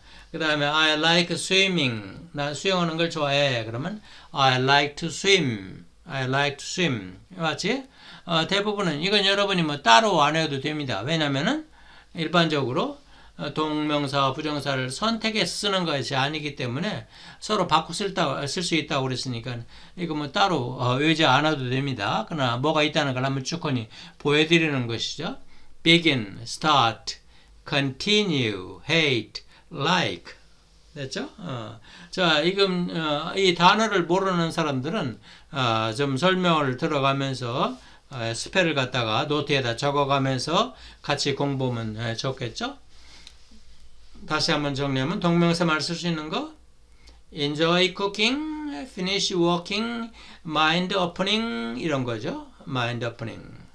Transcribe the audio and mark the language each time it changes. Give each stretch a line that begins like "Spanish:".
Korean: 그 다음에
English: I like swimming.
Korean: 나 수영하는 걸 좋아해. 그러면
English: I like to swim. I like to swim.
Korean: 맞지? 대부분은 이건 여러분이 뭐 따로 안 해도 됩니다. 왜냐면은 일반적으로 동명사와 부정사를 선택해서 쓰는 것이 아니기 때문에 서로 바꿔 쓸수 있다고 그랬으니까 이거 뭐 따로 외지 않아도 됩니다. 그러나 뭐가 있다는 걸 한번 주거니 보여드리는 것이죠.
English: Begin, start, continue, hate, like.
Korean: 됐죠? 자, 이금 이 단어를 모르는 사람들은 좀 설명을 들어가면서 스펠을 갖다가 노트에다 적어가면서 같이 공부하면 좋겠죠? 다시 한번 정리하면 동명사만 쓸수 있는 거 enjoy cooking, finish walking, mind opening 이런 거죠. mind opening.